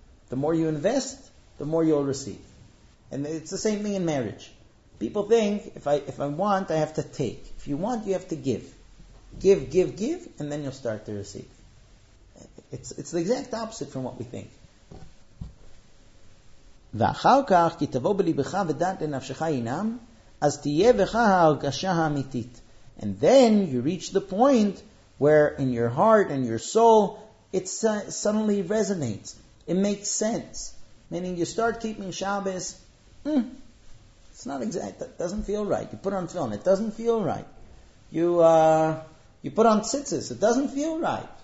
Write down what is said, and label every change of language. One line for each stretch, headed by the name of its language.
English: The more you invest, the more you'll receive. And it's the same thing in marriage. People think, if I want, I have to take. If you want, you have to give. Give, give, give, and then you'll start to receive. It's the exact opposite from what we think.
Hebrew: ואחר כך, כי תבוא בליבך ודעת לנפשך אינם, אז תהיה בך ההרגשה האמיתית.
English: And then you reach the point where in your heart and your soul, it suddenly resonates. It makes sense. Meaning you start keeping Shabbos, it's not exact. That doesn't feel right. You put on tefillin, it doesn't feel right. You put on tzitzis, it doesn't feel right.